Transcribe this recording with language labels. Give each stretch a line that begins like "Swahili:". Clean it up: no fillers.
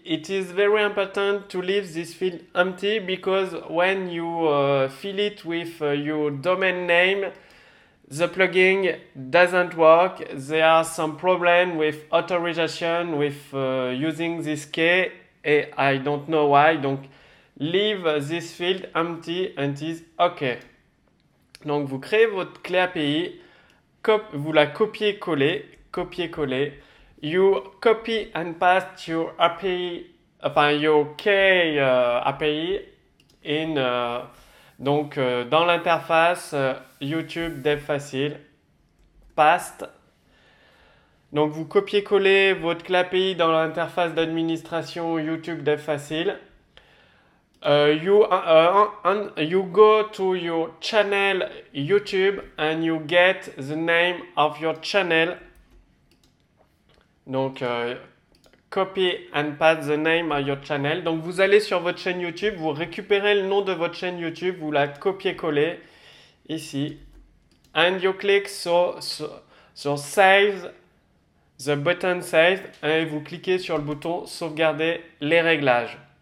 English: It is very important to leave this field empty because when you fill it with your domain name, the plugin doesn't work. There are some problems with authorization, with using this key, and I don't know why. Donc, leave this field empty and is OK.
French: Donc, vous créez votre clé API, vous la copiez-collez, copiez-collez.
English: You copy and paste your API,
French: enfin,
English: your key API in.
French: Donc, dans l'interface YouTube Dev Facile,
English: paste.
French: Donc, vous copiez-collez votre clé API dans l'interface d'administration YouTube Dev Facile.
English: You go to your channel YouTube and you get the name of your channel. Donc, copy and paste the name of your channel.
French: Donc vous allez sur votre chaîne YouTube, vous récupérez le nom de votre chaîne YouTube, vous la copiez-collez ici.
English: And you click
French: sur Save,
English: the button Save,
French: et vous cliquez sur le bouton Sauvegarder les réglages.